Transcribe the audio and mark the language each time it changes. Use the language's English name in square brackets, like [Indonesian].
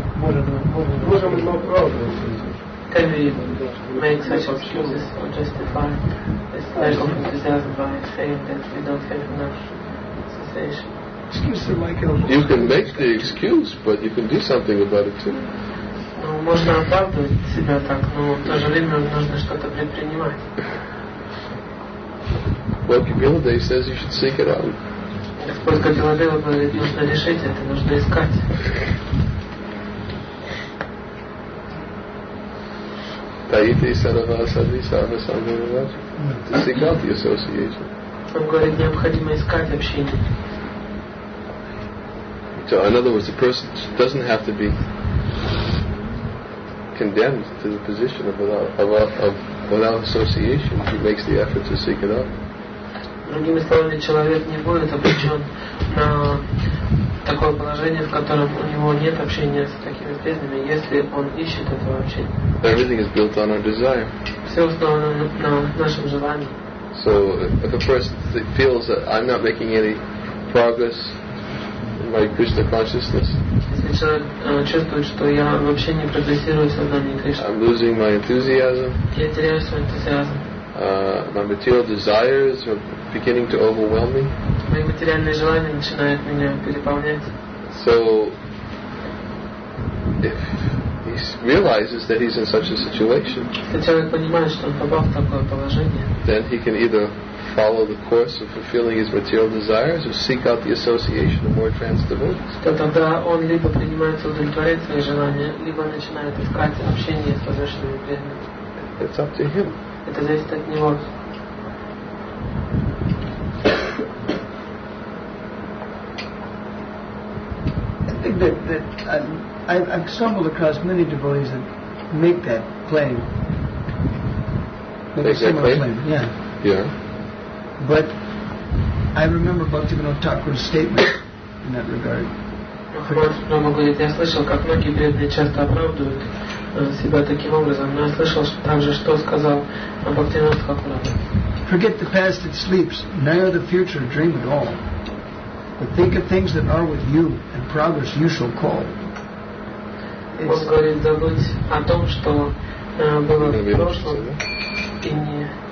[Russian] Можем мы оправдываться? [English] Can we make such excuses or justify this lack of enthusiasm by saying that we don't have enough cessation? Excuse me, you can make the excuse, but you can do something about it too. [Russian] Ну, можно оправдывать себя так, но в то же время нужно что-то предпринимать. [English] Well, Кабиладева says you should seek it out. [Russian] Господь Кабиладева говорит, нужно решить это, нужно искать. [Sanskrit] Таити Саравасади Сарва Сандарадж. [English] To seek out the association. [Russian] Он говорит, необходимо искать общение. [English] So in other words, the person doesn't have to be condemned to the position of without association. He makes the effort to seek it out. [Russian] Другими словами, человек не будет обречен на такое положение, в котором у него нет общения с такими преданными, если он ищет это общение. [English] Everything is built on our desire. [Russian] Все основано на нашем желании. [English] So if a person feels that I'm not making any progress in my Krishna consciousness, [Russian] если человек чувствует, что я вообще не прогрессирую в сознании Кришны, [English] I'm losing my enthusiasm. [Russian] Я теряю свой энтузиазм. [English] My material desires are beginning to overwhelm me. [Russian] Мои материальные желания начинают меня переполнять. [English] So if he realizes that he's in such a situation, [Russian] если человек понимает, что он попал в такое положение, [English] then he can either follow the course of fulfilling his material desires or seek out the association of more advanced devotees. [Russian] То тогда он либо принимается удовлетворять свои желания, либо начинает искать общение с возвышенными преданными. [English] It's up to him. [Russian] Это зависит от него. [English] I've stumbled across many devotees that make that claim. Make a similar claim. But I remember Bhaktivinoda Thakur's statement in that regard. [Russian] Махарадж говорит, я слышал, как многие преданные часто оправдывают себя таким образом, но я слышал также, что сказал Бхактивинода Тхакура. [English] Forget the past, it sleeps. Neither the future, dream at all. But think of things that are with you and progress you shall call. [Russian] Он говорит, забудь о том, что было в прошлом, и не...